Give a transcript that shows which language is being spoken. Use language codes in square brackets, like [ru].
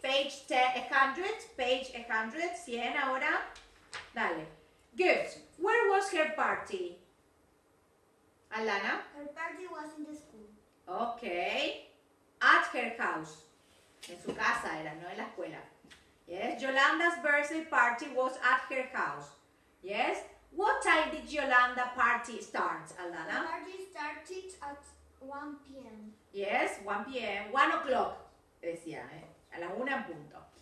[en] Page 100. Page 100. 100 [es] ahora. Dale. [en] Good. Where was her party? Alana? Her party was in the school. Okay. At her house. [es] En su casa era, no en la escuela. [en] Yes, Yolanda's birthday party was at her house. Yes, what time did Yolanda party start, Alana? The party started at 1 p.m. Yes, 1 p.m., 1 o'clock, [es] decía, a las 1 en punto.